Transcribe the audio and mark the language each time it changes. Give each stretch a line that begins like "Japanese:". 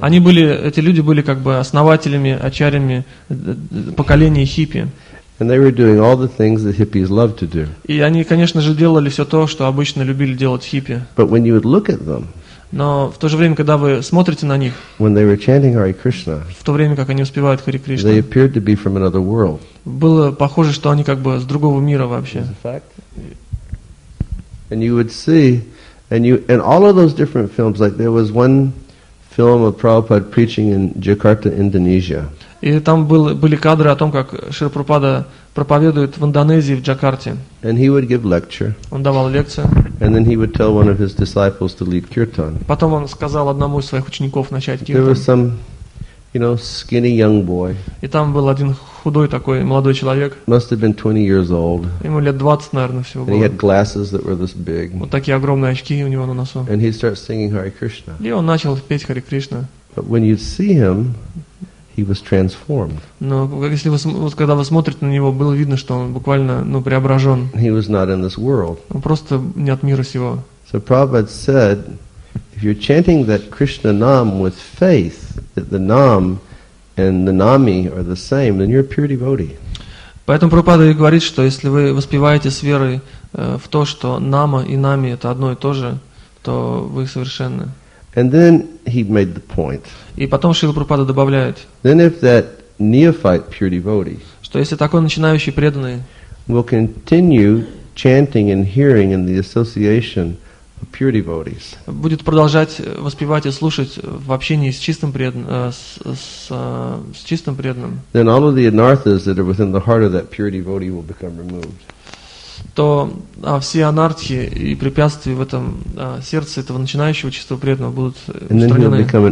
Russian: Они были, эти люди были как бы основателями, ачарями поколения хиппи.
English: And they were doing all the things that hippies love to do.
Russian: И они, конечно же, делали все то, что обычно любили делать хиппи.
English: But when you would look at them,
Russian: но в то же время, когда вы смотрите на них,
English: when they were chanting Hare Krishna,
Russian: в то время, как они успевают Харе Кришна,
English: they appeared to be from another world.
Russian: Было похоже, что они как бы с другого мира вообще.
English: It's a fact. And you would see, and all of those different films, like there was one film of Prabhupada preaching in Jakarta, Indonesia.
Russian: И там были кадры о том, как Шрила Прабхупада проповедует в Индонезии, в Джакарте.
English: And he would give lecture.
Russian: Он давал лекцию.
English: And then he would tell one of his disciples to lead kirtan.
Russian: Потом он сказал одному из своих учеников начать киртан.
English: There was some, you know, skinny young boy.
Russian: И там был один худой такой молодой человек.
English: Must have been 20 years old.
Russian: Ему лет 20, наверное, всего было.
English: And he had glasses that were this big.
Russian: Вот такие огромные очки у него на носу.
English: And he starts singing Hare Krishna.
Russian: И он начал петь Харе Кришна.
English: But when you see him, he was transformed.
Russian: Но если вы, вот, когда вы смотрите на него, было видно, что он буквально, ну, преображен.
English: He was not in this world.
Russian: Он просто не от мира сего.
English: So Prabhupada said, if you're chanting that Krishna Nam with faith, that the Nam and the Nami are the same, then you're a pure devotee.
Russian: Поэтому Прабхупада и говорит, что если вы воспеваете с верой в то, что Нама и Нами это одно и то же, то вы совершенны.
English: And then he made the point.
Russian: И потом Шрила Прабхупада добавляет.
English: Then if that neophyte pure devotee,
Russian: что если такой начинающий преданный,
English: will continue chanting and hearing in the association of pure devotees,
Russian: будет продолжать воспевать и слушать в общении с чистым с чистым преданным,
English: then all of the anarthas that are within the heart of that pure devotee will become removed.
Russian: То все анархии и препятствия в этом сердце этого начинающего чистого преданного будут устранены.